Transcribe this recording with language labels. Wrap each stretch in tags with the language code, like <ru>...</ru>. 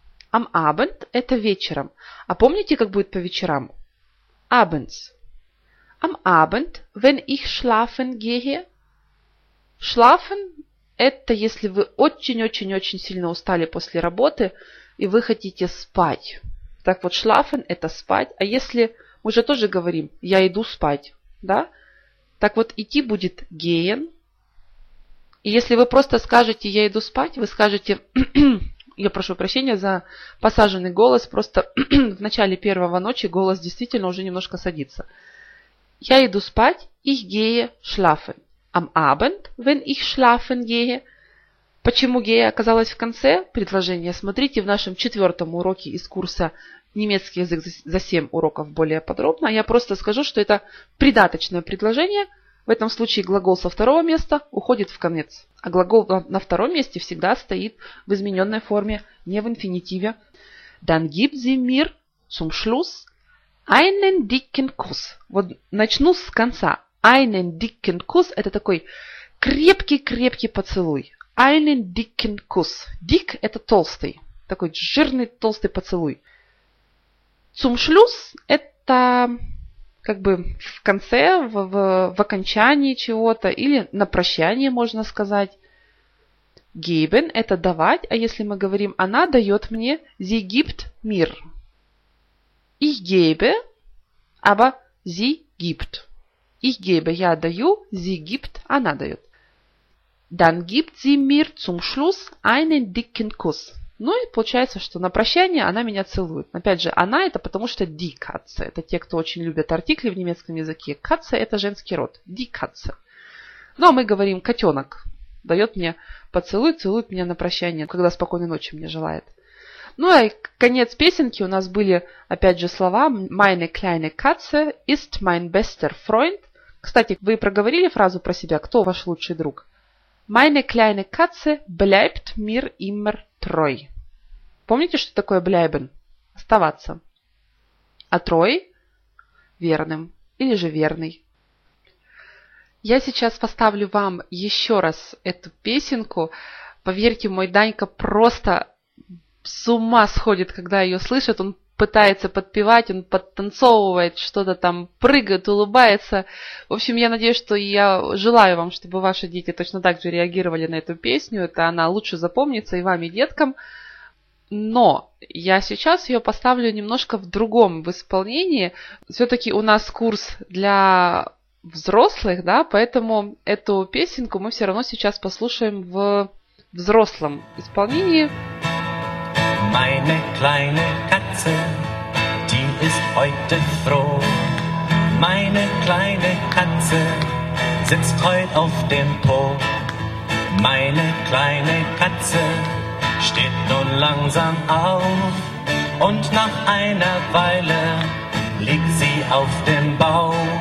<de>Am Abend</de> <ru>– это вечером. А помните, как будет по вечерам?</ru> <de>Abends. Am Abend, wenn ich schlafen gehe.</de> <ru>Schlafen – это если вы очень-очень-очень сильно устали после работы и вы хотите спать. Так вот, schlafen – это спать. А если, мы же тоже говорим, я иду спать, да? Так вот, идти будет gehen. И если вы просто скажете, я иду спать, вы скажете, я прошу прощения за посаженный голос, просто в начале первого ночи голос действительно уже немножко садится. Я иду спать,</ru> <de>ich gehe schlafen. Am Abend, wenn ich schlafen gehe.</de> <ru>Почему gehe оказалось в конце предложения? Смотрите в нашем четвертом уроке из курса «Немецкий язык за 7 уроков» более подробно. Я просто скажу, что это придаточное предложение. В этом случае глагол со второго места уходит в конец. А глагол на втором месте всегда стоит в измененной форме, не в инфинитиве.</ru> <de>Dann gib sie mir zum Schluss einen dicken Kuss.</de> <ru>Вот начну с конца.</ru> <de>Einen dicken Kuss</de> <ru>– это такой крепкий-крепкий поцелуй.</ru> <de>Einen dicken Kuss.</de> <ru>Dick – это толстый. Такой жирный, толстый поцелуй.</ru> <de>Zum Schluss</de> <ru>– это как бы в конце, в окончании чего-то или на прощание, можно сказать. Geben – это давать. А если мы говорим, она дает мне,</ru> <de>sie gibt mir. Ich gebe, aber sie gibt. Ich gebe,</de> <ru>я даю,</ru> <de>sie gibt,</de> <ru>она дает.</ru> <de>Dann gibt sie mir zum Schluss einen dicken Kuss.</de> <ru>Ну и получается, что на прощание она меня целует. Опять же, она это потому, что</ru> <de>die Katze.</de> <ru>Это те, кто очень любят артикли в немецком языке. Katze это женский род.</ru> <de>Die Katze.</de> <ru>Ну а мы говорим, котенок дает мне поцелуй, целует меня на прощание, когда спокойной ночи мне желает. Ну и конец песенки у нас были, опять же, слова</ru> <de>«Meine kleine Katze ist mein bester Freund».</de> <ru>Кстати, вы проговорили фразу про себя «Кто ваш лучший друг?»</ru> <de>«Meine kleine Katze bleibt mir immer treu».</de> <ru>Помните, что такое «bleiben»? Оставаться. А «treu»? Верным. Или же «верный». Я сейчас поставлю вам еще раз эту песенку. Поверьте, мой Данька просто с ума сходит, когда ее слышит. Он пытается подпевать, он подтанцовывает, что-то там прыгает, улыбается. В общем, я надеюсь, что я желаю вам, чтобы ваши дети точно так же реагировали на эту песню. Это она лучше запомнится и вам, и деткам. Но я сейчас ее поставлю немножко в другом исполнении. Все-таки у нас курс для взрослых, да, поэтому эту песенку мы все равно сейчас послушаем в взрослом исполнении.</ru> <en>Thank you.</en> <de>Meine kleine Katze, die ist heute froh. Meine kleine Katze sitzt heut auf dem Po. Meine kleine Katze steht nun langsam auf und nach einer Weile liegt sie auf dem Bauch.</de>